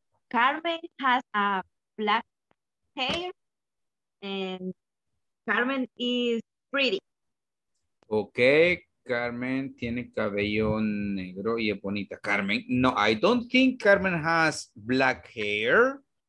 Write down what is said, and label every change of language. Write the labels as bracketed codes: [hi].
[en] Carmen has a black hair and Carmen is pretty. [es] Okay, Carmen tiene cabello negro y es bonita. [en] Carmen, no, I don't think Carmen has black hair.